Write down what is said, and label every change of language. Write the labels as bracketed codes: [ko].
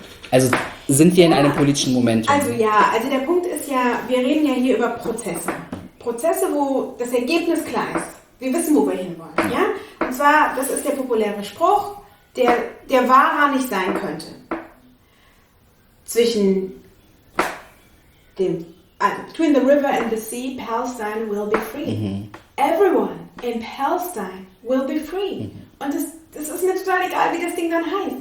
[de] Also sind wir in einem politischen Moment? Also ja, also der Punkt ist ja, wir reden ja hier über Prozesse. Prozesse, wo das Ergebnis klar ist. Wir wissen, wo wir hinwollen. Ja? Und zwar, das ist der populäre Spruch, der wahrer nicht sein könnte. Zwischen dem, [en] between the river and the sea, Palestine will be free. Mhm. Everyone in Palestine will be free. [de] Mhm. Und das ist mir total egal, wie das Ding dann heißt.